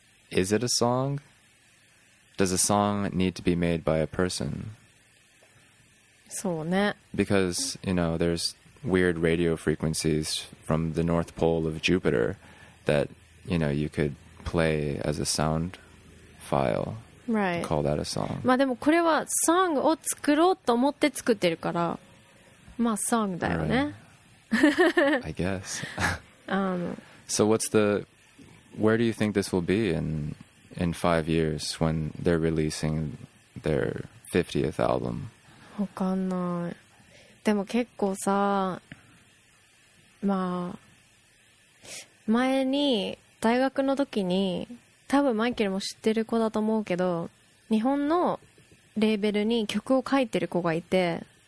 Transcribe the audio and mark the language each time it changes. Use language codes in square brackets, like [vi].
[en] Is it a song? Does a song need to be made by a person? [ja] そうね。 [en] Because, you know, there's weird radio frequencies from the North Pole of Jupiter that, you know, you could play as a sound file. Right. To call that a song. [ja] まあでもこれはサンを作ろうと思って作ってるから、まあサンだよね。 [en] Right. I guess. So what's the, where do you think this will be in 5 years when they're releasing their 50th album? [ja] わかんない。でも結構さ、まあ、前に大学の時に、多分マイケルも知ってる子だと思うけど、日本のレーベルに曲を書いてる子がいて、